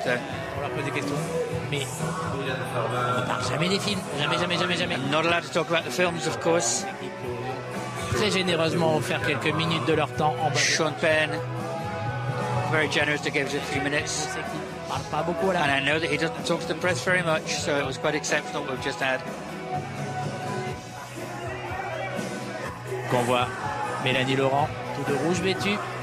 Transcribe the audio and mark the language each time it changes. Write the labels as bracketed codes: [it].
[fr] On leur pose des questions. Mais on ne parle jamais des films. Jamais. [en] I'm not allowed to talk about the films, of course. [fr] Très généreusement offert quelques minutes de leur temps en bas. [en] Sean Penn, very generous to give us a few minutes. [fr] Parle pas beaucoup là. [en] And I know that he doesn't talk to the press very much, so it was quite exceptional what we've just had. [fr] Qu'on voit Mélanie Laurent, tout de rouge vêtue.